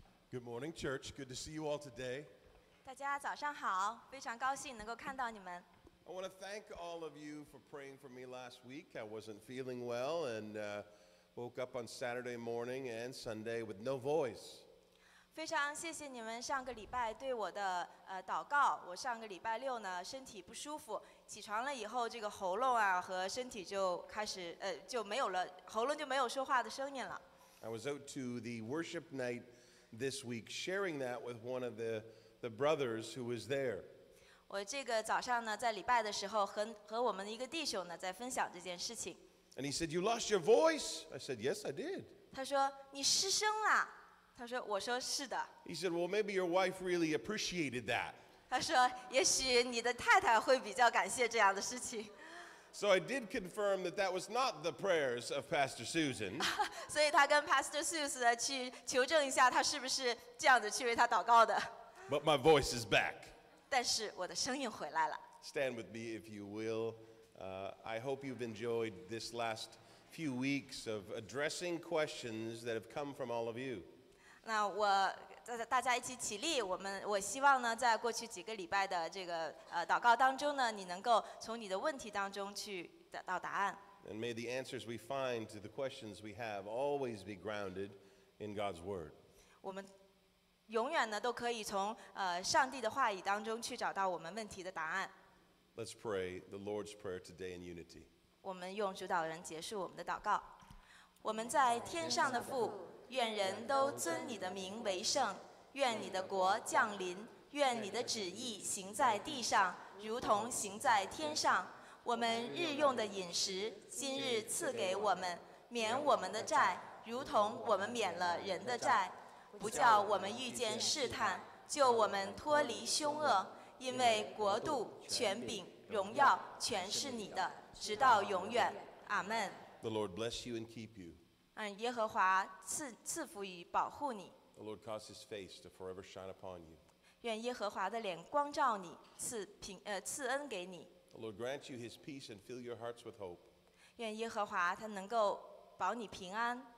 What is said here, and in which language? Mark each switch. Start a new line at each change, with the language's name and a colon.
English: Good morning, church. Good to see you all today.
Chinese: 大家早上好，非常高兴能够看到你们。
English: I want to thank all of you for praying for me last week. I wasn't feeling well and woke up on Saturday morning and Sunday with no voice.
Chinese: 非常谢谢你们上个礼拜对我的祷告。我上个礼拜六呢身体不舒服，起床了以后这个喉咙啊和身体就开始就没有了，喉咙就没有说话的声音了。
English: I was out to the worship night this week sharing that with one of the brothers who was there.
Chinese: 我这个早上呢在礼拜的时候和我们的一个弟兄呢在分享这件事情。
English: And he said, you lost your voice? I said, yes, I did.
Chinese: 他说你失声了。他说我说是的。
English: He said, well, maybe your wife really appreciated that.
Chinese: 他说也许你的太太会比较感谢这样的事情。
English: So I did confirm that that was not the prayers of Pastor Susan.
Chinese: 所以他跟 Pastor Susan 去求证一下他是不是这样子去为他祷告的。
English: But my voice is back.
Chinese: 但是我的声音回来了。
English: Stand with me if you will. I hope you've enjoyed this last few weeks of addressing questions that have come from all of you.
Chinese: 那我大家一起起立，我希望呢，在过去几个礼拜的这个祷告当中呢，你能够从你的问题当中去得到答案。 And may the answers we find to the questions we have always be grounded in God's Word. 我们永远呢都可以从上帝的话语当中去找到我们问题的答案。 Let's pray the Lord's Prayer today in unity. 我们用主导人结束我们的祷告。我们在天上的父。愿人都尊你的名为圣，愿你的国降临，愿你的旨意行在地上，如同行在天上。我们日用的饮食，今日赐给我们，免我们的债，如同我们免了人的债。不叫我们遇见试探，救我们脱离凶恶，因为国度、权柄、荣耀，全是你的，直到永远。阿们。
English: The Lord bless you and keep you.
Chinese: 耶和华赐福与保护你。
English: The Lord cause His face to forever shine upon you.
Chinese: 愿耶和华的脸光照你，赐恩给你。
English: The Lord grant you His peace and fill your hearts with hope.
Chinese: 愿耶和华他能够保你平安。